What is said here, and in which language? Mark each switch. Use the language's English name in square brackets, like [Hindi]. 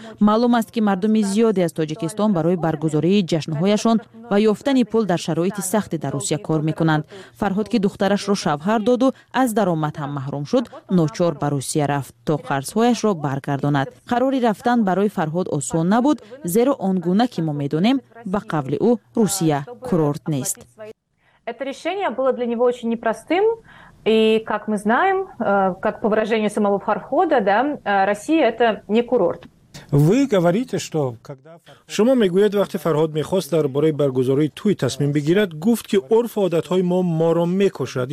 [Persian] معلوم است که مردم زیادی از تاجیکستان برای برگزاری جشن هایشان و یافتن پول در شرایط سخت در روسیه کار میکنند. فرهاد که دخترش را شوهر داد و از درآمد هم محروم شد، ناچار به روسیه رفت تا قرضهایش را برگرداند. قراری رفتن برای فرهاد آسان نبود، زیرا آن گونه که ما میدونیم به قول او روسیه کورورت نیست. [Russian] Это решение было для него очень непростым. И как мы знаем, как по выражению самого Фархода, да, Россия это не курорт. Вы говорите, что когда [Tajik] Шумо мегуяд вақти Фарҳод мехост дар бораи баргузории туй тасмим бигирад, гуфт ки урф ва одатҳои мо моро мекушад.